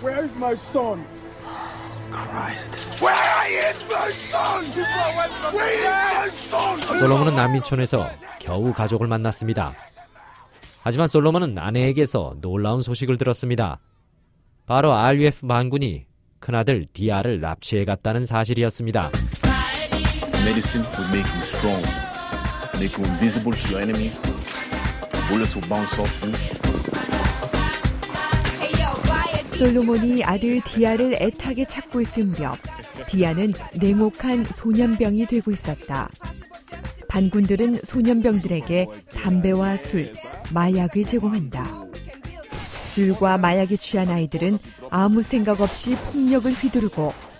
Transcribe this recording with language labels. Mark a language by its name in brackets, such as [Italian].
[English] Where is my son? Christ. Where is my son? Where is my son? [Korean] 솔로몬은 난민촌에서 겨우 가족을 만났습니다. 하지만 솔로몬은 아내에게서 놀라운 소식을 들었습니다. 바로 RUF 반군이 큰아들 디아를 납치해 갔다는 사실이었습니다. [English] Medicine will make you strong. Make you invisible to your enemies. Bullets will bounce off you. [Korean] 솔로몬이 아들 디아를 애타게 찾고 있을 무렵 디아는 냉혹한 소년병이 되고 있었다. 반군들은 소년병들에게 담배와 술, 마약을 제공한다. 술과 마약에 취한 아이들은 아무 생각 없이 폭력을 휘두르고